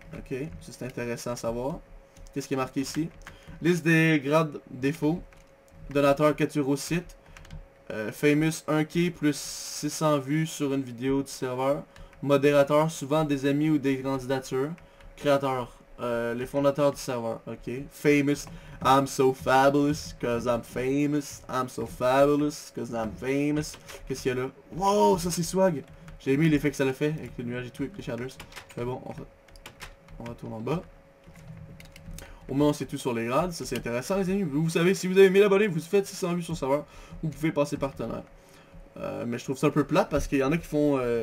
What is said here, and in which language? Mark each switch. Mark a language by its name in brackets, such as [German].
[French] Ok, c'est intéressant à savoir. Qu'est-ce qui est marqué ici? Liste des grades défauts. Donateur 4 € site. Famous 1K plus 600 vues sur une vidéo du serveur. Modérateur, souvent des amis ou des candidatures. Créateur, les fondateurs du serveur, ok. [English] Famous, I'm so fabulous, cause I'm famous. I'm so fabulous, cause I'm famous. [French] Qu'est-ce qu'il y a là? Wow, ça c'est swag. J'ai aimé l'effet que ça l'a fait, avec le nuage et tout, avec les shaders. Mais bon, on retourne en bas. Au moins, c'est tout sur les grades, ça c'est intéressant les amis. Vous savez, si vous avez 1000 abonnés, vous faites 600 vues sur le serveur. Vous pouvez passer partenaire. Mais je trouve ça un peu plate, parce qu'il y en a qui font...